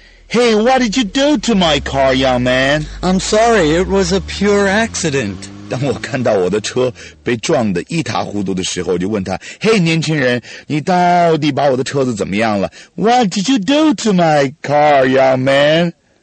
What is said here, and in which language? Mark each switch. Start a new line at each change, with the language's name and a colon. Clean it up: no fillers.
English: Hey, what did you do to my car, young man? I'm sorry, it was a pure accident.
Chinese: 当我看到我的车被撞得一塌糊涂的时候，我就问他，嘿，年轻人，你到底把我的车子怎么样了？
English: What did you do to my car, young man?